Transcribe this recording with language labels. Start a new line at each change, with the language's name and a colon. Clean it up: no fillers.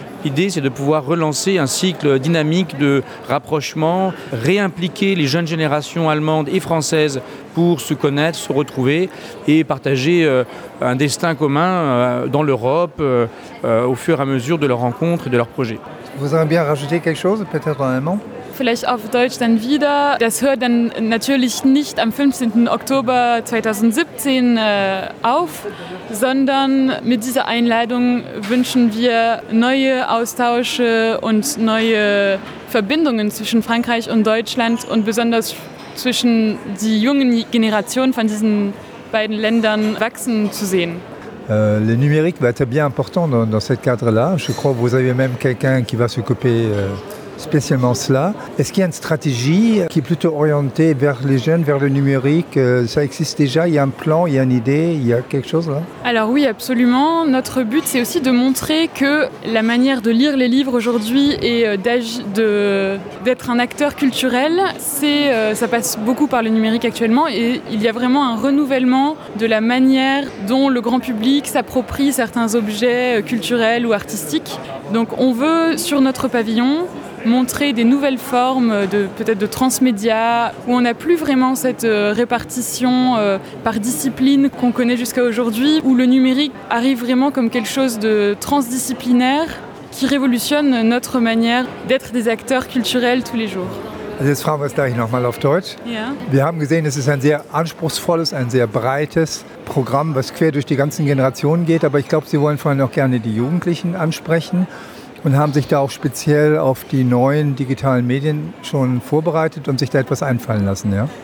French: L'idée, c'est de pouvoir relancer un cycle dynamique de rapprochement, réimpliquer les jeunes générations allemandes et françaises pour se connaître, se retrouver et partager un destin commun dans l'Europe au fur et à mesure de leurs rencontres et de leurs projets. Vous aimeriez bien rajouter quelque chose, peut-être en allemand ?
German: Vielleicht auf Deutsch dann wieder. Das hört dann natürlich nicht am 15. Oktober 2017 auf, sondern mit dieser Einladung wünschen wir neue Austausche und neue Verbindungen zwischen Frankreich und Deutschland und besonders zwischen die jungen Generationen von diesen beiden Ländern wachsen zu sehen.
French: Le numérique va être bien important dans ce cadre-là. Je crois que vous avez même quelqu'un qui va s'occuper spécialement cela. Est-ce qu'il y a une stratégie qui est plutôt orientée vers les jeunes, vers le numérique? Ça existe déjà? Il y a un plan, il y a une idée, il y a quelque chose là? Alors oui, absolument. Notre but, c'est aussi de montrer que la manière de lire les livres aujourd'hui et d'être un acteur culturel, ça passe beaucoup par le numérique actuellement et il y a vraiment un renouvellement de la manière dont le grand public s'approprie certains objets culturels ou artistiques. Donc on veut, sur notre pavillon, montrer des nouvelles formes de peut-être de transmédia où on n'a plus vraiment cette répartition par discipline qu'on connaît jusqu'à aujourd'hui, où le numérique arrive vraiment comme quelque chose de transdisciplinaire qui révolutionne notre manière d'être des acteurs culturels tous les jours.
German: Jetzt fragen wir es gleich nochmal auf Deutsch. Ja. Wir haben gesehen, es ist ein sehr anspruchsvolles, ein sehr breites Programm, was quer durch die ganzen Generationen geht. Aber ich glaube, Sie wollen vor allem auch gerne die Jugendlichen ansprechen und haben sich da auch speziell auf die neuen digitalen Medien schon vorbereitet und sich da etwas einfallen lassen, ja?